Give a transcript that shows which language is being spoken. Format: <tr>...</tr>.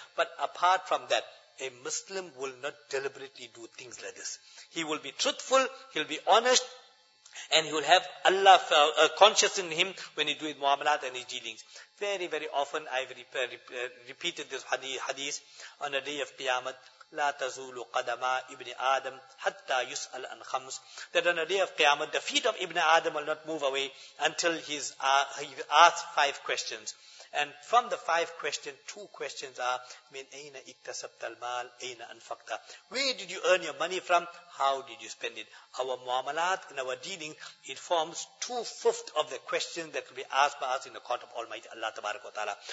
<en>But apart from that, a Muslim will not deliberately do things like this. He will be truthful, he'll be honest, and he will have Allah conscious in him when he do his muamalat and his dealings. Very, very often I've repeated this hadith on the day of Qiyamah.</en> <ar>لا تزول قدما ابن آدم حتى يسأل عن خمس.</ar> <en>That on the day of Qiyamah, the feet of Ibn Adam will not move away until he's asked five questions. And from the five questions, two questions are,</en> <ar>مِنْ أَيْنَ اِكْتَسَبْتَ الْمَالِ أَيْنَ أَنْفَقْتَ.</ar> <en>Where did you earn your money from? How did you spend it? Our muamalat and our dealing, it forms two-fifths of the questions that will be asked by us in the court of Almighty Allah Tabarak wa Ta'ala.</en>